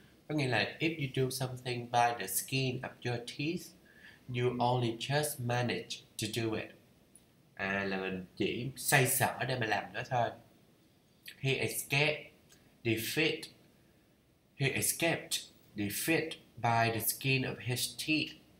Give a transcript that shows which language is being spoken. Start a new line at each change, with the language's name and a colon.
Vietnamese: Có nghĩa là
English: if you do something by the skin of your teeth, you only just manage to do it.
Vietnamese: À, là mình chỉ xoay sở để mà làm nó thôi.
English: He escaped defeat by the skin of his teeth.